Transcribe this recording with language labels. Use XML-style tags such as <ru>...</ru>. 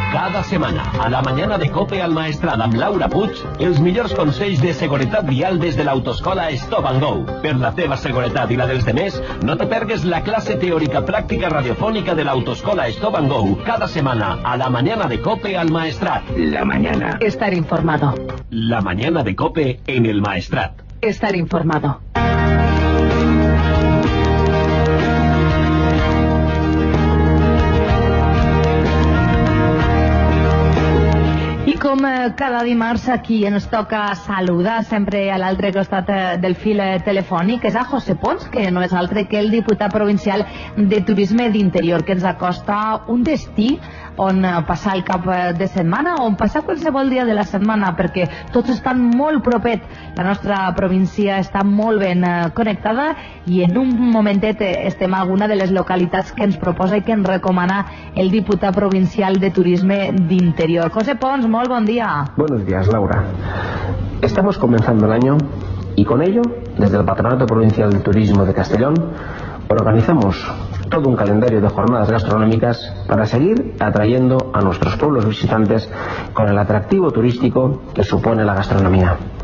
<ca>Cada setmana, a la mañana de COPE al Maestrat amb Laura Puig, els millors consells de seguretat vial des de l'autoescola Stop and Go. Per la teva seguretat i la dels demés, no te perdes la classe teòrica pràctica radiofònica de l'autoescola Stop and Go. Cada setmana, a la mañana de COPE al Maestrat.</ca> <es>La mañana. Estar informado. La mañana de COPE en el Maestrat. Estar informado.</es> <ca>Com cada dimarts aquí ens toca saludar sempre a l'altre costat del fil telefònic, és a José Pons, que no és altre que el diputat provincial de Turisme d'Interior, que ens acosta un destí on passar el cap de setmana, on passar qualsevol dia de la setmana, perquè tots estan molt propet. La nostra província està molt ben connectada i en un momentet estem a alguna de les localitats que ens proposa i que ens recomana el diputat provincial de Turisme d'Interior. José Pons, molt bon dia.</ca> <es>Buenos días, Laura. Estamos comenzando el año y con ello, desde el Patronato Provincial de Turismo de Castellón, organizamos todo un calendario de jornadas gastronómicas para seguir atrayendo a nuestros pueblos visitantes con el atractivo turístico que supone la gastronomía.</es>